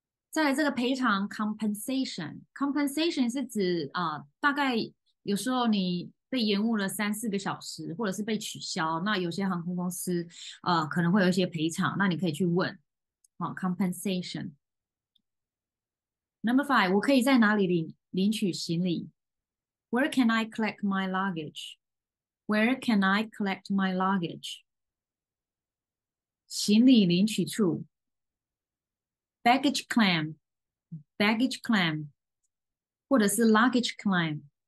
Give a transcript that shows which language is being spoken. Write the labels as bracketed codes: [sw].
[zh] 再来这个赔偿 （compensation），compensation 是指大概有时候你。被延误了3、4个小时，或者是被取消，那有些航空公司，可能会有一些赔偿，那你可以去问，好，compensation。 [en] Number five， [zh] 我可以在哪里领取行李？ [en] Where can I collect my luggage？Where can I collect my luggage？ [zh] 行李领取处， [en] baggage claim， [zh] 或者是 [en] luggage claim。